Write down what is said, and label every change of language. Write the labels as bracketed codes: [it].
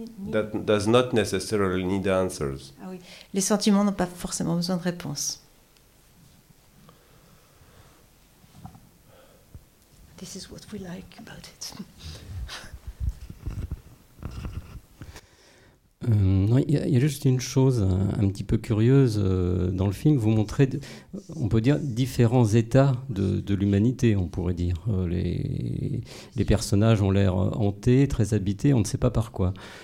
[en] That does not necessarily need answers. [fr] Ah oui, les sentiments n'ont pas forcément besoin de réponses. [en] This is what we like about it. [fr] Non, il y a juste une chose un petit peu curieuse dans le film. Vous montrez, on peut dire, différents états de l'humanité, on pourrait dire. Les personnages ont l'air hantés, très habités, on ne sait pas par quoi.